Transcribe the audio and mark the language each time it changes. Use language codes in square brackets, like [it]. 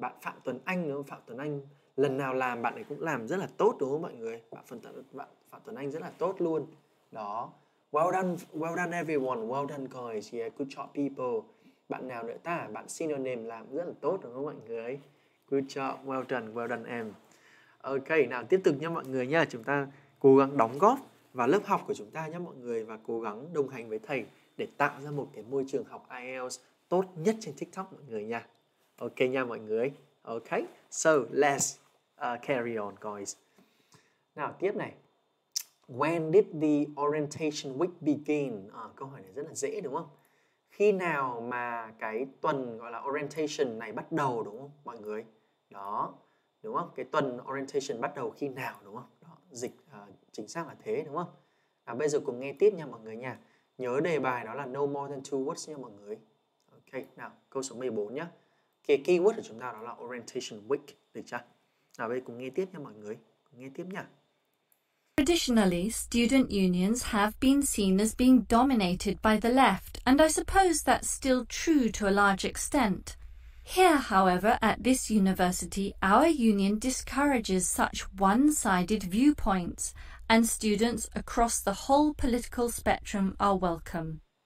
[vi] Bạn Phạm Tuấn Anh đúng không? Phạm Tuấn Anh lần nào làm bạn ấy cũng làm rất là tốt đúng không mọi người? Bạn Phạm Tuấn Anh rất là tốt luôn. Đó. [en] Well done everyone, well done guys, yeah, good job people. [vi] Bạn nào nữa ta? Bạn Synonym làm rất là tốt đúng không mọi người? [en] Good job, well done [vi] em. Ok, nào tiếp tục nha mọi người nha. Chúng ta cố gắng đóng góp vào lớp học của chúng ta nha mọi người. Và cố gắng đồng hành với thầy để tạo ra một cái môi trường học IELTS tốt nhất trên TikTok mọi người nha. Ok nha mọi người. [en] Ok, so let's carry on guys. [vi] Nào tiếp này. [en] When did the orientation week begin? [vi] Câu hỏi này rất là dễ đúng không? Khi nào mà cái tuần gọi là orientation này bắt đầu đúng không mọi người? Đó, đúng không? Cái tuần orientation bắt đầu khi nào đúng không? Đó, dịch chính xác là thế đúng không? À, bây giờ cùng nghe tiếp nha mọi người nha. Nhớ đề bài đó là [en] no more than two words [vi] nha mọi người. Ok, nào câu số 14 nhá. Cái keyword của chúng ta đó là orientation week, được chưa? Nào bây giờ cùng nghe tiếp nha mọi người. Cùng nghe tiếp nha. [en] Traditionally, student unions have been seen as being dominated by the left, and I suppose that's still true to a large extent. Here, however, at this university, our union discourages such one-sided viewpoints, and students across the whole political spectrum are welcome.